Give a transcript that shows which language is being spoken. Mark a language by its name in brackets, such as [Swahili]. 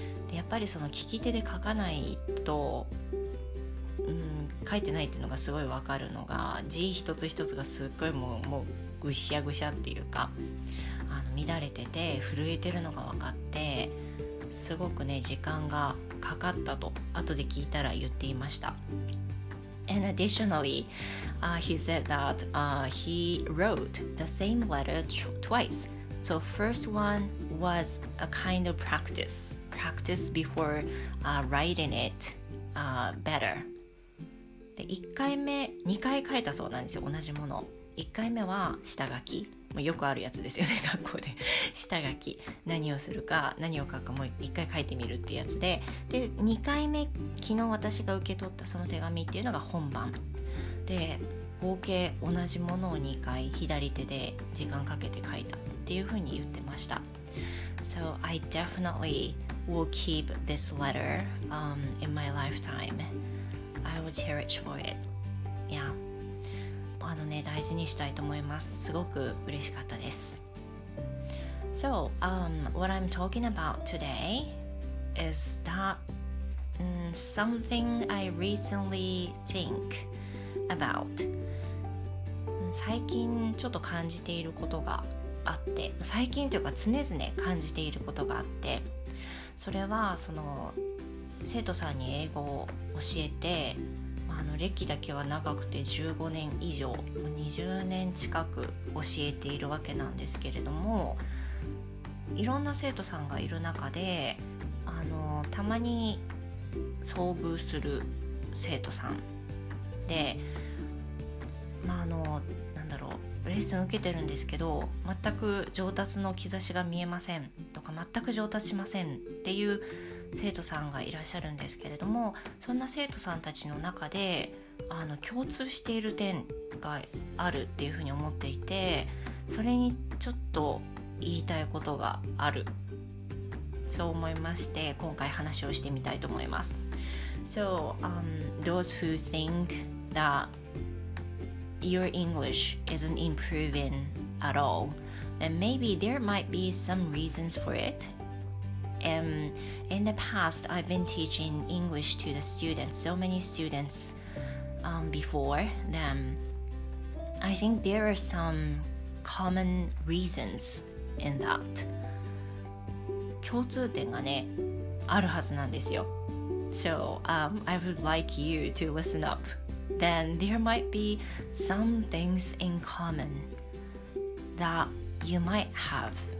[Japanese] で、やっぱりその聞き手で書かないと、書いてないっていうのがすごいわかるのが、字一つ一つがすっごいもうぐしゃぐしゃっていうか、あの乱れてて震えてるのが分かって、すごくね時間がかかったと後で聞いたら言っていました。 [English] And additionally, he said that he wrote the same letter twice. So first one was a kind of practice before writing it better. [Japanese] で1回目2回書いたそうなんですよ、同じもの。1回目は下書き、もうよくあるやつですよね、学校で下書き、何をするか何を書くかもう一回書いてみるってやつで、で2回目、昨日私が受け取ったその手紙っていうのが本番で、合計同じものを2回左手で時間かけて書いたっていうふうに言ってました。 [English] So I definitely will keep this letter in my lifetime. I will cherish for it. Yeah. [Japanese] あのね、大事にしたいと思います。すごく嬉しかったです。 [English] So, what I'm talking about today is that something I recently think about. [Japanese] 最近ちょっと感じていることがあって、最近というか常々感じていることがあって、それはその生徒さんに英語を教えて、あの歴だけは長くて15年以上、20年近く教えているわけなんですけれども、いろんな生徒さんがいる中で、あのたまに遭遇する生徒さんで、まあ、あのなんだろう、レッスン受けてるんですけど全く上達の兆しが見えませんとか、全く上達しませんっていう生徒さんがいらっしゃるんですけれども、そんな生徒さんたちの中で、あの共通している点があるっていうふうに思っていて、それにちょっと言いたいことがある、そう思いまして、今回話をしてみたいと思います。 [English] So, those who think that your English isn't improving at all, then maybe there might be some reasons for itIn the past, I've been teaching English to the students, so many students before them. I think there are some common reasons in that. [Japanese] 共通点がね、あるはずなんですよ。 [English] So, I would like you to listen up. Then there might be some things in common that you might have.